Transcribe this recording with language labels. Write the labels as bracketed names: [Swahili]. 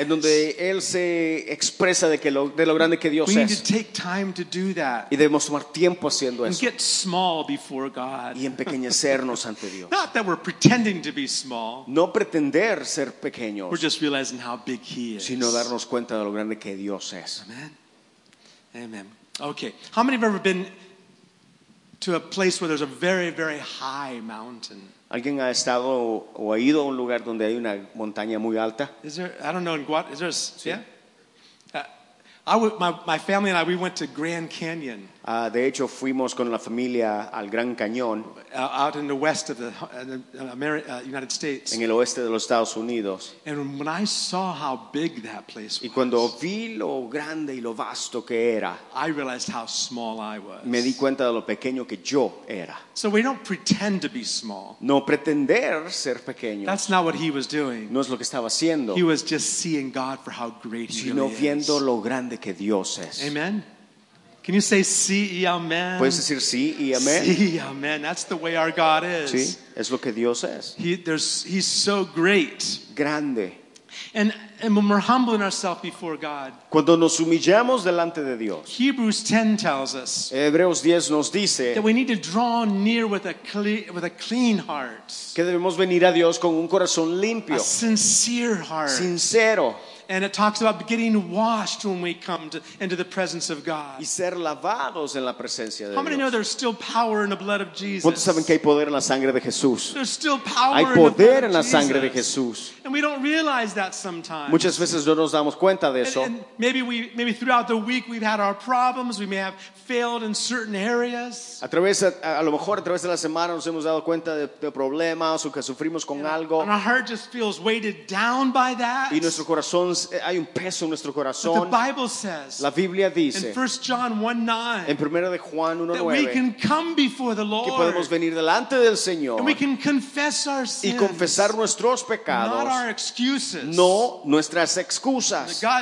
[Spanish] En donde él se expresa de que lo de lo grande que Dios [English] we [Spanish] es. [English] We need to take time to do that. [Spanish] Y debemos tomar tiempo haciendo [English] and [Spanish] eso. [English] Get small before God. [Spanish] Y empequeñecernos ante Dios. [English] Not that we're pretending to be small. [Spanish] No pretender ser pequeños. [English] We're just realizing how big He is. [Spanish] Sino darnos cuenta de lo grande que Dios es. Amen. Amen. [English] Okay, how many have ever been to a place where there's a very, very high mountain? [Spanish] ¿Alguien ha estado o ha ido a un lugar donde hay una montaña muy alta? [English] Is there, I don't know, in Guat, is there a, sí. Yeah? My family and I, we went to Grand Canyon. [Spanish] De hecho, fuimos con la familia al Gran Cañón. [English] Out in the west of United States. [Spanish] En el oeste de los Estados Unidos. [English] And when I saw how big that place was. [Spanish] Y cuando vi lo grande y lo vasto que era. [English] I realized how small I was. [Spanish] Me di cuenta de lo pequeño que yo era. [English] So we don't pretend to be small. [Spanish] No pretender ser pequeños. [English] That's not what he was doing. [Spanish] No es lo que estaba haciendo. [English] He was just seeing God for how great he really [Spanish] Sino viendo lo grande que Dios es. [English] Amen. Can you say [Spanish] sí y amén? ¿Puedes decir sí y amén? Sí, amén. [English] That's the way our God is. [Spanish] Sí, es lo que Dios es. [English] He's so great. [Spanish] Grande. [English] And when we're humbling ourselves before God. [Spanish] Cuando nos humillamos delante de Dios. [English] Hebrews 10 tells us. [Spanish] Hebreos 10 nos dice. [English] That we need to draw near with a clean heart. [Spanish] Que debemos venir a Dios con un corazón limpio. [English] A sincere heart. [Spanish] Sincero. [English] And it talks about getting washed when we come into the presence of God. [Spanish] Y ser lavados en la presencia de Dios. [English] How many know there's still power in the blood of Jesus? [Spanish] ¿Cuántos saben que hay poder en la sangre de Jesús? [English] There's still power [Spanish] hay poder [English] in the blood [Spanish] en la sangre [English] Jesus. [Spanish] De Jesús. [English] And we don't realize that sometimes. [Spanish] Muchas veces no nos damos cuenta de eso. [English] And maybe throughout the week we've had our problems. We may have failed in certain areas. [Spanish] A lo mejor a través de la semana nos hemos dado cuenta de problemas o que sufrimos con algo. [English] And our heart just feels weighted down by that. [Spanish] Y nuestro corazón hay un peso en nuestro corazón. [English] But the Bible says, [Spanish] la Biblia dice, [English] in 1 John 1:9, [Spanish] en 1 de Juan 1:9, [English] that we can come before the Lord, [Spanish] que podemos venir delante del Señor, [English] and we can confess our sins, [Spanish] y confesar nuestros pecados, [English] not our excuses, [Spanish] no nuestras excusas.